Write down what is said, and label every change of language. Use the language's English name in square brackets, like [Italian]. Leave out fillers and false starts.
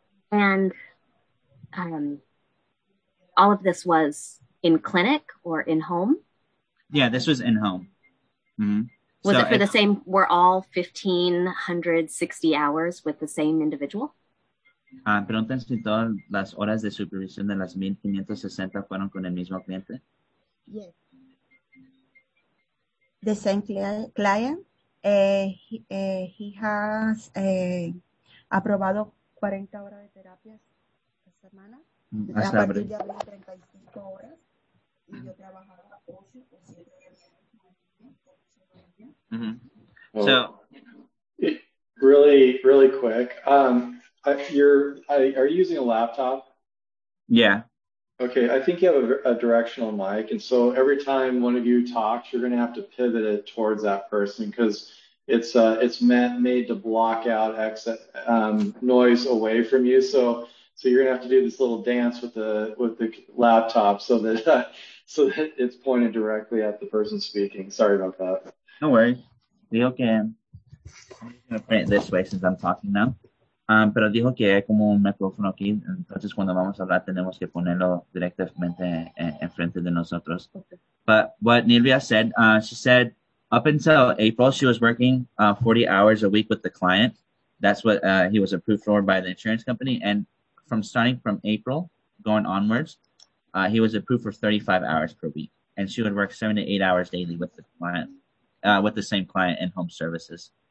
[English] And all of this was in clinic or in home? Yeah, this was in home. Mm-hmm. Was so it for the same, were all 1,560 hours with the same individual? [Spanish] Preguntan si todas las horas de supervisión de las 1,560 fueron con el mismo cliente. [English] Yes. The same client. He has [Spanish] aprobado 40 horas de terapia esta semana. Hasta abril. A partir de abril, 35 horas. Y yo trabajaba 8 o 7 días. [English] So. Really, really quick. Are you using a laptop? Yeah. Okay, I think you have a directional mic. And so every time one of you talks, you're going to have to pivot it towards that person because it's made to block out noise away from you. So you're going to have to do this little dance with the laptop so that it's pointed directly at the person speaking. Sorry about that. No worries. Leo, can I'm going to print it this way since I'm talking now. [Spanish] Pero dijo que hay como un micrófono aquí, entonces cuando vamos a hablar tenemos que ponerlo directamente en frente de nosotros. [English] But what Nilvia said, she said up until April, she was working 40 hours a week with the client. That's what he was approved for by the insurance company. And from starting from April going onwards, he was approved for 35 hours per week. And she would work 7 to 8 hours daily with the client, with the same client in home services.